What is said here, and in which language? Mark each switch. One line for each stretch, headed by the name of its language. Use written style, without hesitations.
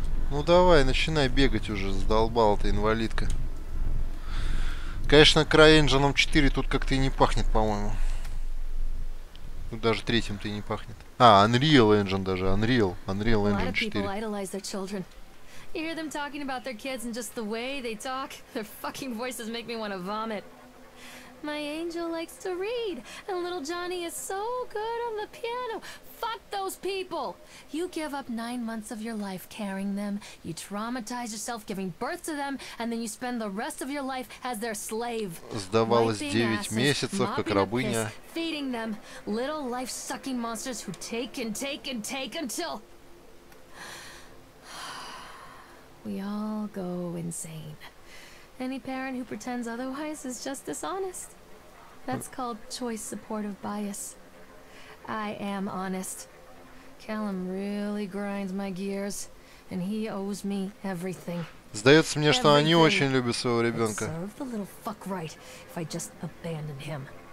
Russian: Ну давай, начинай бегать уже. Задолбала ты, инвалидка. Конечно, CryEngine 4 тут как-то и не пахнет, по-моему. Тут даже третьим-то и не пахнет. А, Unreal Engine даже, Unreal Engine 4. Многие люди идолизируют своих детей.
English: You hear them talking about their kids and just the way they talk. Their fucking voices make me want to vomit. My angel likes to read, and little Johnny is so good on the piano. Fuck those people! You give up 9 months of your life carrying them, you traumatize yourself giving birth to them, and then you spend the rest of your life as their slave.
Russian: Сдавалось 9 месяцев, как рабыня.
English: Feeding them, little life-sucking monsters who take and take and take until... We all go insane. Any parent who pretends otherwise is just dishonest. That's called choice supportive bias. I am honest. Callum really grinds my gears, and he owes me everything.
Russian: Сдается мне, что они очень любят своего ребенка.
English: Serve the little fuck right if I just abandon him.